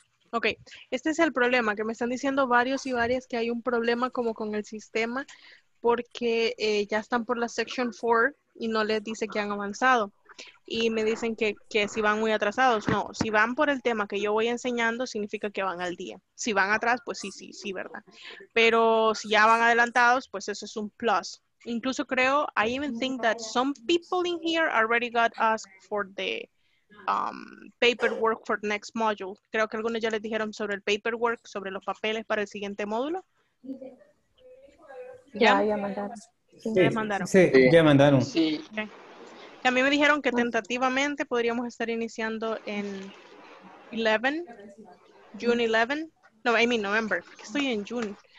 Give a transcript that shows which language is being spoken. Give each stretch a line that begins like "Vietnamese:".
Spanish: Ok, este es el problema, que me están diciendo varios y varias que hay un problema como con el sistema porque ya están por la section 4 y no les dice que han avanzado. Y me dicen que si van muy atrasados. No, si van por el tema que yo voy enseñando, significa que van al día. Si van atrás, pues sí, ¿verdad? Pero si ya van adelantados, pues eso es un plus. Incluso creo,
English: I even think that some people in here already got asked for the paperwork for next module.
Spanish: Creo que algunos ya les dijeron sobre el paperwork, sobre los papeles para el siguiente módulo. Ya mandaron. Sí. Okay. A mí me dijeron que tentativamente podríamos estar iniciando en 11, June 11.
English: No, I mean November.
Spanish: Estoy en June.